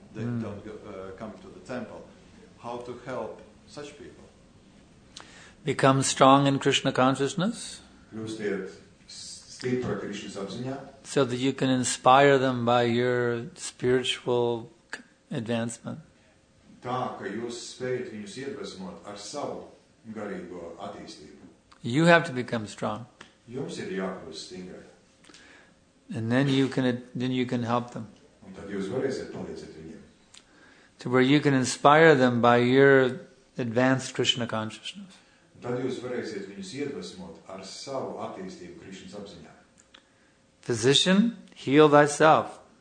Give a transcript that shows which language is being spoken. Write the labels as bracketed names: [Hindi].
[English] They don't come to the temple. How to help such people? Become strong in Krishna consciousness. So that you can inspire them by your spiritual advancement. [Latvian] Tā, ka jūs spējat viņus iedvesmot ar savu garīgo attīstību. [English] You have to become strong. [Latvian] Jums ir jākļūst stingri. [English] And then you can help them. [Latvian] Un tad jūs varēsiet palīdzēt viņiem. [English] To where you can inspire them by your advanced Krishna consciousness. [Latvian] Tad jūs varēsiet viņus iedvesmot ar savu attīstību Krishnas apziņā. [English] Physician, heal thyself.